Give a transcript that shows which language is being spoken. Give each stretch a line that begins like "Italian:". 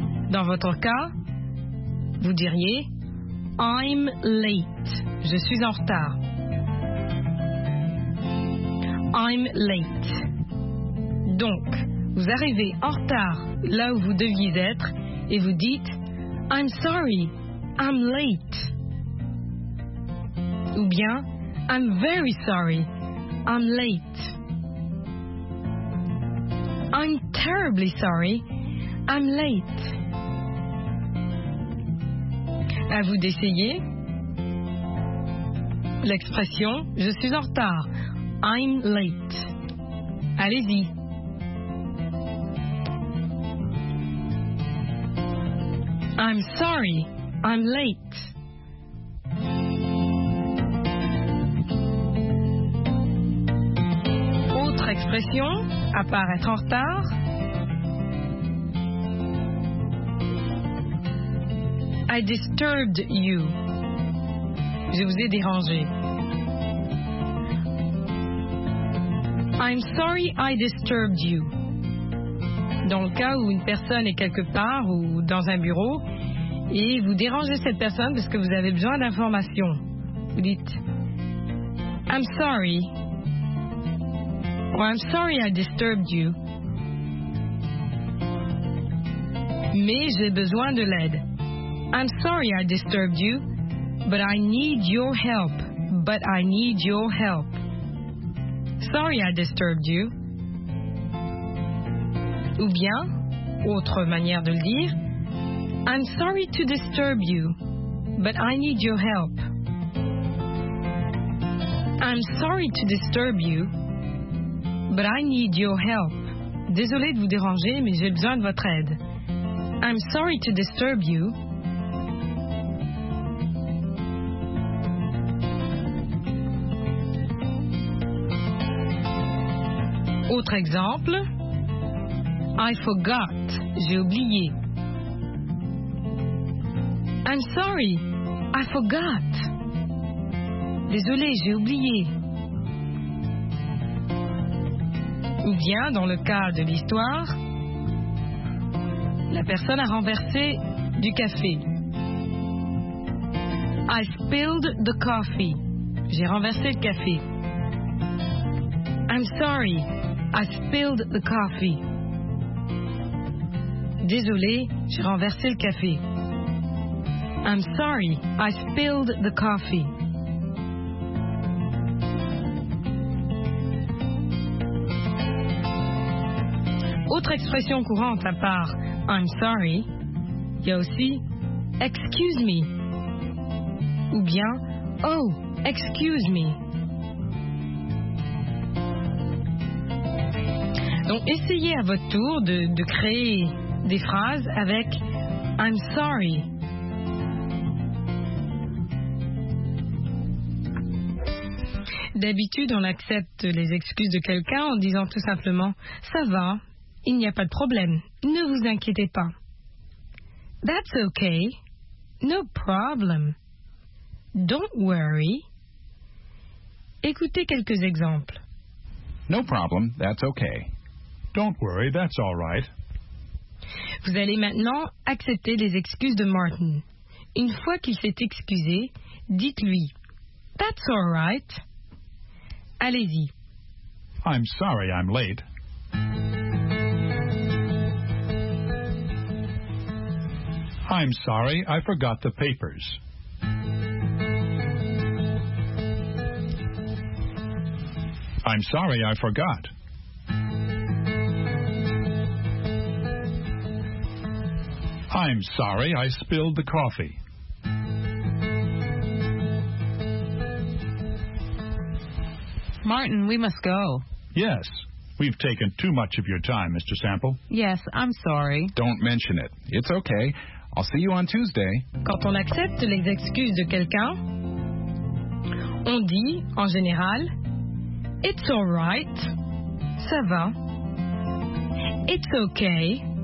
French: Dans votre cas, vous diriez
English: I'm late.
French: Je suis en retard.
English: I'm late.
French: Donc, vous arrivez en retard là où vous deviez être et vous dites
English: I'm sorry, I'm late.
French: Ou bien,
English: I'm very sorry, I'm late. I'm terribly sorry, I'm late.
French: À vous d'essayer l'expression, je suis en retard,
English: I'm late.
French: Allez-y.
English: I'm sorry, I'm late.
French: Expression, à part être en retard.
English: I disturbed you.
French: Je vous ai dérangé.
English: I'm sorry I disturbed you.
French: Dans le cas où une personne est quelque part ou dans un bureau et vous dérangez cette personne parce que vous avez besoin d'informations, vous dites
English: I'm sorry. Well, I'm sorry I disturbed you.
French: Mais j'ai besoin de l'aide.
English: I'm sorry I disturbed you, but I need your help. But I need your help. Sorry I disturbed you.
French: Ou bien, autre manière de le dire,
English: I'm sorry to disturb you. but I need your help. I'm sorry to disturb you, but I need your help.
French: Désolée de vous déranger, mais j'ai besoin de votre aide.
English: I'm sorry to disturb you.
French: Autre exemple.
English: I forgot.
French: J'ai oublié.
English: I'm sorry. I forgot.
French: Désolé, j'ai oublié. Ou bien, dans le cas de l'histoire, la personne a renversé du café.
English: I spilled the coffee.
French: J'ai renversé le café.
English: I'm sorry. I spilled the coffee.
French: Désolé, j'ai renversé le café.
English: I'm sorry, I spilled the coffee.
French: Autre expression courante à part
English: I'm sorry,
French: il y a aussi
English: excuse me.
French: Ou bien
English: oh, excuse me.
French: Donc essayez à votre tour de créer des phrases avec
English: I'm sorry.
French: D'habitude, on accepte les excuses de quelqu'un en disant tout simplement « Ça va, il n'y a pas de problème, ne vous inquiétez pas. » «
English: That's okay, no problem, don't worry.
French: » Écoutez quelques exemples.
English: « No problem, that's okay. Don't worry, that's all right. »
French: Vous allez maintenant accepter les excuses de Martin. Une fois qu'il s'est excusé, dites-lui «
English: That's all right.
French: » Allez-y.
English: I'm sorry I'm late. I'm sorry I forgot the papers. I'm sorry I forgot. I'm sorry I spilled the coffee. Martin, we must go. Yes. We've taken too much of your time, Mr. Sample. Yes, I'm sorry. Don't mention it. It's okay. I'll see you on Tuesday.
French: Quand on accepte les excuses de quelqu'un, on dit, en général,
English: It's all right.
French: Ça va.
English: It's okay.